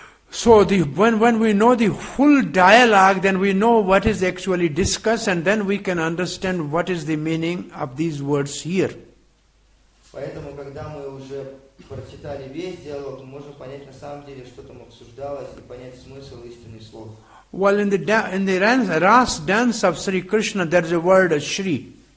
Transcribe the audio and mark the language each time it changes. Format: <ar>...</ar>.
<en>So when we know the full dialogue, then we know what is actually discussed, and then we can understand what is the meaning of these words here.</en> <ru>Поэтому когда мы уже прочитали весь диалог, мы можем понять на самом деле, что там обсуждалось, и понять смысл истинных слов.</ru> <en>Well, in the Ras dance of Sri Krishna, there is a word Shri.</en>